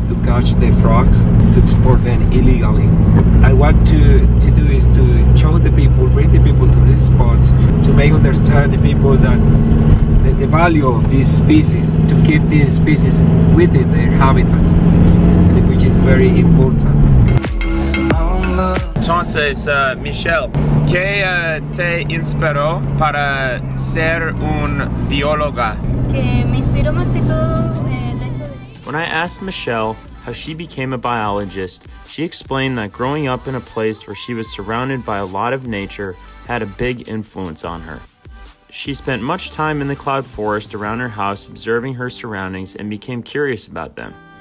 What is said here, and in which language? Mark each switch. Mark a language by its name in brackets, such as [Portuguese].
[English] to catch the frogs to export them illegally. I want to do is to show the people, bring the people to these spots to make understand the people that the value of these species, to keep these species within their habitat, which is very important. [Spanish] Entonces, Michele, ¿qué te inspiró para ser un bióloga? Que me inspiró más que todo el hecho de... [English] When I asked Michele how she became a biologist, she explained that growing up in a place where she was surrounded by a lot of nature had a big influence on her. She spent much time in the cloud forest around her house observing her surroundings and became curious about them.